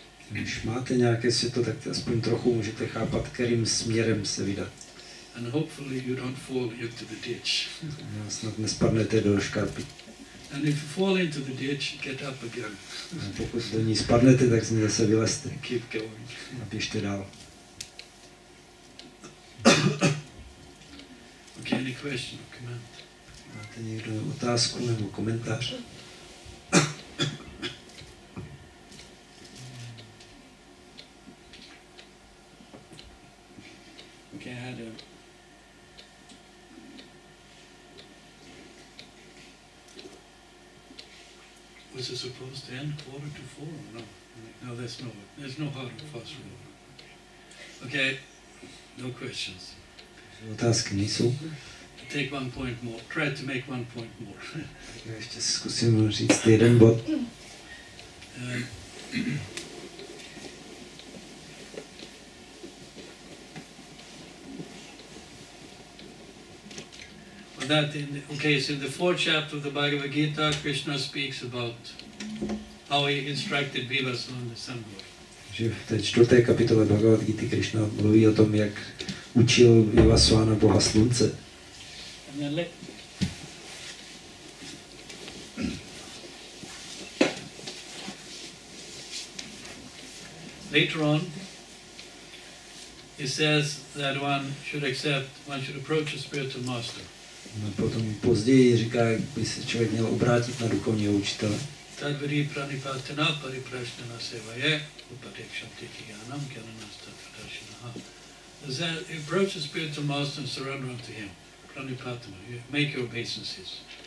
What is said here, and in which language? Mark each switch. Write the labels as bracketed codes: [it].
[cs] Když máte nějaké světlo, tak aspoň trochu můžete chápat, kterým směrem se vydat. [en] And hopefully you don't fall into the ditch. [cs] No, snad nespadnete do škarpy. [en] And if you fall into the ditch, get up again. [cs] A pokud do ní spadnete, tak z ní zase vylezte. [en] Keep going. [cs] A běžte dál. [en] Okay, any question or comment? [cs] Máte někdo otázku nebo komentář? [en] Was it supposed to end 3:45? No, no, there's no hard and fast rule. Okay, no questions. [cs] Otázky nejsou. [en] Take one point more. Try to make one point more. [cs] Já ještě zkusím říct jeden bod. [en] Well, that in the, okay, so in the fourth chapter of the Bhagavad Gita, Krishna speaks about how he instructed Vivas on the Sambhur. [cs] Že v té čtvrté kapitole Bhagavad Gita Krishna mluví o tom, jak učil Vivasvana Boha Slunce. [en] Later on, he says that one should accept, one should approach a spiritual master. [cs] No, potom později říká, jak by se člověk měl obrátit na duchovního učitele. [sa] Tadvrī pranipātinā pariprasthanā sevaye upadekṣanti jñānam karanastatvadarśinah. [en] As he approaches spiritual master and surrender unto him, pranipātinā, make your obeisances.